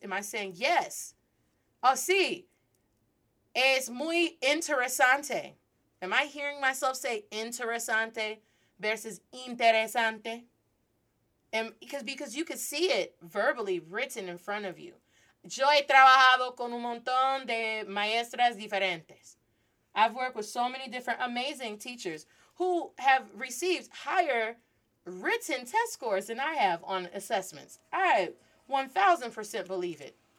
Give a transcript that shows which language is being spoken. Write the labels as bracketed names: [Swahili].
[English] Am I saying yes? Oh, [Spanish] sí. Es muy interesante. [English] Am I hearing myself say interesante versus interesante? Because you can see it verbally written in front of you. [Spanish] Yo he trabajado con un montón de maestras diferentes. [English] I've worked with so many different amazing teachers who have received higher written test scores than I have on assessments. I 1,000% believe it.